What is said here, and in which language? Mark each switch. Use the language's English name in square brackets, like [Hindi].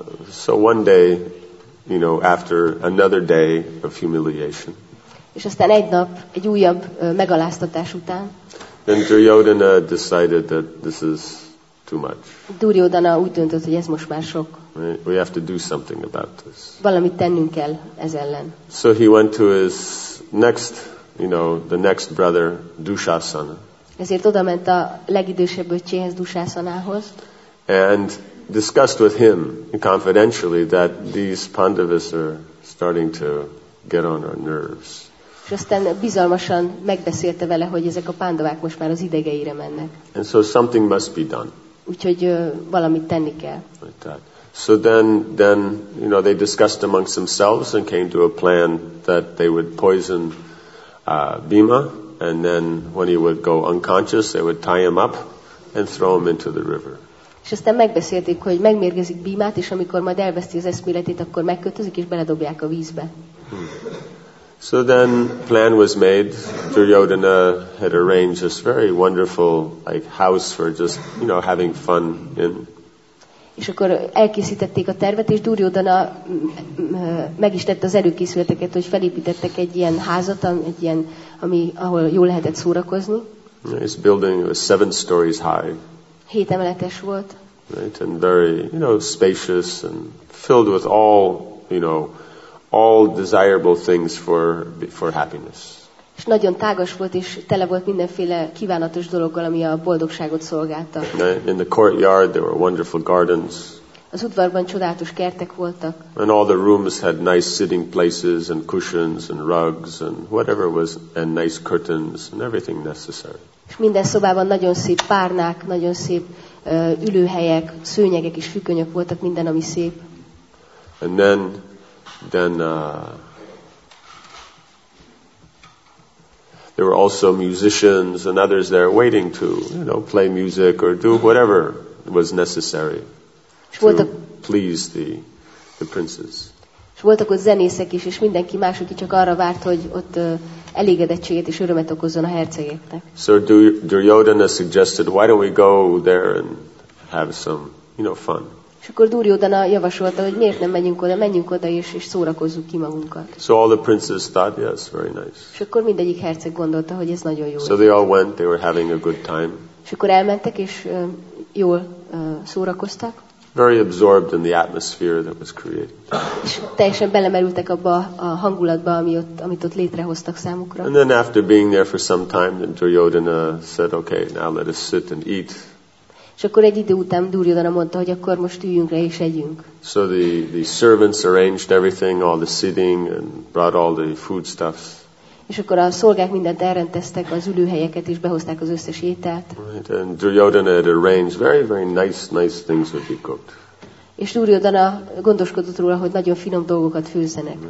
[English] So one day, you know, after another day of humiliation. [Hungarian] És aztán egy nap, egy újabb megaláztatás után. [English] Then Duryodhana decided that this is too much. [Hungarian] Duryodhana úgy döntött, hogy ez most már sok. [English] We have to do something about this. [Hungarian] Valamit tennünk kell ez ellen. [English] So he went to his next, you know, the next brother, Dushasana. [Hungarian] Ezért oda ment a legidősebb öccséhez, Dushasanához. [English] And discussed with him confidentially that these Pandavas are starting to get on our nerves. [Hungarian] És aztán bizalmasan megbeszélte vele, hogy ezek a pándavák most már az idegeire mennek. [English] And so something must be done. [Hungarian] Úgyhogy valamit tenni kell. [English] So then, you know, they discussed amongst themselves and came to a plan that they would poison Bhima, and then when he would go unconscious, they would tie him up and throw him into the river. [Hungarian] És aztán megbeszélték, hogy megmérgezik Bhimát, és amikor majd elveszti az eszméletét, akkor megkötözik és beledobják a vízbe. [English] So then plan was made. Duryodhana had arranged this very wonderful like house for just, you know, having fun in. [Hungarian] És akkor elkészítették a tervet, és Duryodhana meg is tette az előkészületeket, hogy felépítettek egy ilyen házat, egy ilyen, ami ahol jól lehetett szórakozni. [English] This building was 7 stories high. [Hungarian] 7 emeletes volt. [English] Right, and very, you know, spacious and filled with all, you know, all desirable things for happiness. [Hungarian] És nagyon tágas volt és tele volt mindenféle kívánatos dologgal, ami a boldogságot szolgálta. [English] In the courtyard there were wonderful gardens. [Hungarian] Az udvarban csodálatos kertek voltak. [English] And all the rooms had nice sitting places and cushions and rugs and whatever was, and nice curtains and everything necessary. [Hungarian] És minden szobában nagyon szép párnák, nagyon szép ülőhelyek, szőnyegek és fükönyök voltak, minden ami szép. [English] And then then there were also musicians and others there waiting to, you know, play music or do whatever was necessary to please the princes. [Hungarian] És voltak ott zenészek is, és mindenki más, aki csak arra várt, hogy ott elégedettséget és örömet okozzon a hercegeknek. [English] So Duryodhana suggested, why don't we go there and have some, you know, fun. [Hungarian] És akkor Duryodhana javasolta, hogy miért nem menjünk oda, és szórakozzuk ki magunkat. [English] So all the princes thought, yes, very nice. [Hungarian] És akkor mindegyik herceg gondolta, hogy ez nagyon jó. [English] So they all went, they were having a good time. [Hungarian] És akkor elmentek, és jól szórakoztak. [English] Very absorbed in the atmosphere that was created. [Hungarian] És teljesen belemerültek abba a hangulatba, amit ott létrehoztak számukra. [English] And then after being there for some time, then Duryodhana said, okay, now let us sit and eat. [Hungarian] És akkor egy idő után Duryodhana mondta, hogy akkor most üljünk le és együnk. [English] So the servants arranged everything, all the seating, and brought all the foodstuffs. [Hungarian] És akkor a szolgák mindent elrendeztek, az ülőhelyeket is behozták, az összes ételt. [English] Right, and Duryodhana had arranged very, very nice things that he cooked. [Hungarian] És Duryodhana gondoskodott róla, hogy nagyon finom dolgokat főzzenek.